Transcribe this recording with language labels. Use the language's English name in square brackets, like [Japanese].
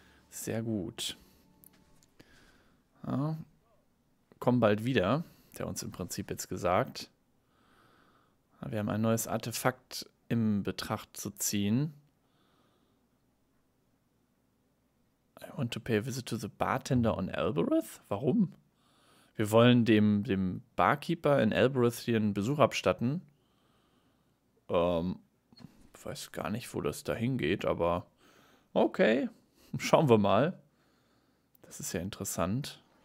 [German] Sehr gut. Ja, komm bald wieder, hat er uns im Prinzip jetzt gesagt. Wir haben ein neues Artefakt in Betracht zu ziehen. [English] I want to pay a visit to the bartender on Alberith? [German] Warum? Wir wollen dem Barkeeper in Elbereth hier einen Besuch abstatten. Weiß gar nicht, wo das da hingeht, aber okay, schauen wir mal. Das ist ja interessant.